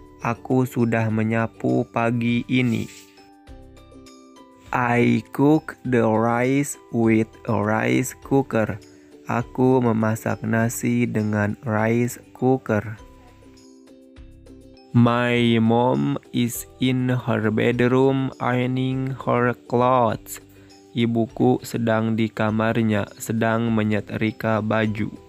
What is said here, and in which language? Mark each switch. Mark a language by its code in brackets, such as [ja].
[id] Aku sudah menyapu pagi ini. [en] I cook the rice with a rice cooker. [id] Aku memasak nasi dengan rice cooker. [en] My mom is in her bedroom ironing her clothes. [id] Ibuku sedang di kamarnya, sedang menyetrika baju.